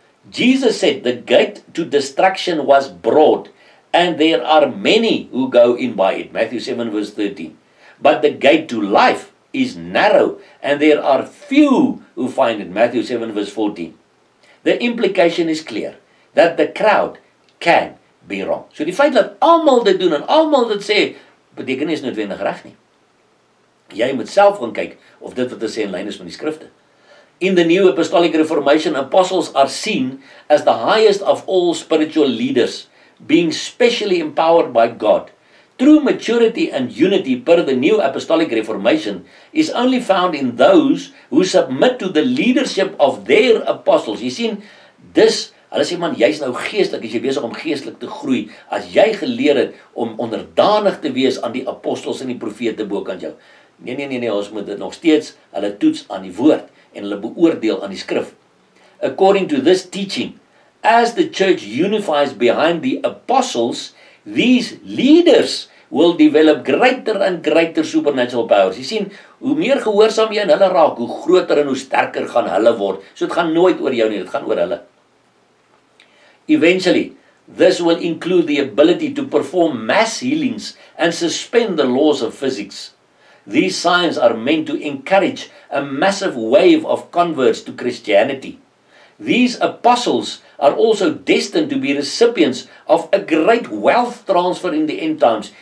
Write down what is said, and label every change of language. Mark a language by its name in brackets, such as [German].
[English] Jesus said the gate to destruction was broad and there are many who go in by it. Matthew 7 verse 13. But the gate to life is narrow and there are few who find it. Matthew 7 verse 14. The implication is clear, that the crowd can be wrong. [Afrikaans] So die feit dat almal dit doen en almal dit sê, beteken nie is noodwendig reg nie. Jy moet self gaan kyk of dit wat hy sê in lyn is met die skrifte. [English] In the new Apostolic Reformation, apostles are seen as the highest of all spiritual leaders, being specially empowered by God. True maturity and unity per the new Apostolic Reformation is only found in those who submit to the leadership of their apostles. [Afrikaans] Jy sien, dis, hulle sê man, jy is nou geestelik, as jy besig om geestelik te groei, as jy geleer het om onderdanig te wees aan die apostels en die profete bokant jou. Nee, ons moet dit nog steeds, hulle toets aan die woord en hulle beoordeel aan die skrif. [English] According to this teaching, as the church unifies behind the apostles, these leaders will develop greater and greater supernatural powers. [Afrikaans] Jy sien, hoe meer gehoorsaam jy in hulle raak, hoe groter en hoe sterker gaan hulle word. So dit gaan nooit oor jou nie, dit gaan oor hulle. [English] Eventually, this will include the ability to perform mass healings and suspend the laws of physics. These signs are meant to encourage a massive wave of converts to Christianity. These apostles are also destined to be recipients of a great wealth transfer in the end times.